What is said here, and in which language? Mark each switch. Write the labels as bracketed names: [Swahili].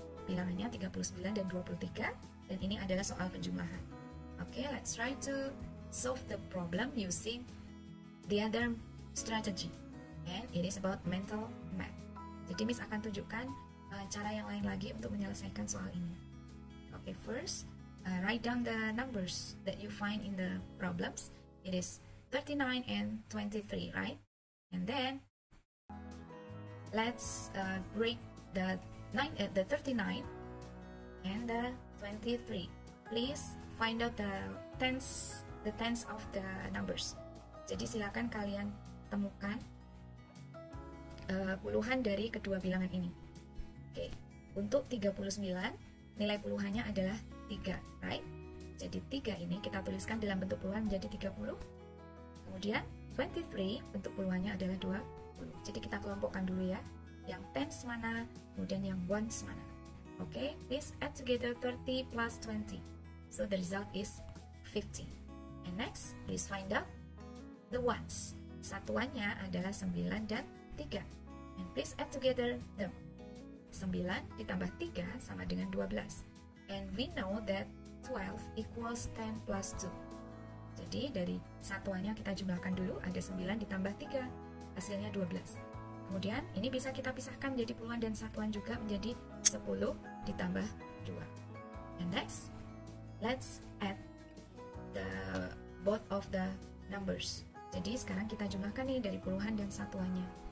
[Indonesian] Bilangannya 39 dan 23, dan ini adalah soal penjumlahan. [English] Okay, let's try to solve the problem using the other strategy. And it is about mental math. [Indonesian] Jadi Miss akan tunjukkan cara yang lain lagi untuk menyelesaikan soal ini. [English] Okay, first, write down the numbers that you find in the problems. It is 39 and 23, right? And then, let's break the 39 and the 23. Please find out the tens of the numbers. [Indonesian] Jadi silakan kalian temukan puluhan dari kedua bilangan ini. Oke, okay. Untuk 39, nilai puluhannya adalah 3, right? Jadi 3 ini kita tuliskan dalam bentuk puluhan menjadi 30. Kemudian 23 untuk puluhannya adalah 20. Jadi kita kelompokkan dulu ya, yang tens mana, kemudian yang ones mana. [English] Oke, please add together 30 plus 20. So the result is 50. And next, please find out the ones. [Indonesian] Satuannya adalah 9 dan 3. [English] And please add together them. [Indonesian] 9 ditambah 3 sama dengan 12. [English] And we know that 12 equals 10 plus 2. [Indonesian] Jadi dari satuannya kita jumlahkan dulu, ada 9 ditambah 3, hasilnya 12. Kemudian ini bisa kita pisahkan menjadi puluhan dan satuan juga, menjadi 10 ditambah 2. [English] And next, let's add the both of the numbers. [Indonesian] Jadi sekarang kita jumlahkan nih dari puluhan dan satuannya.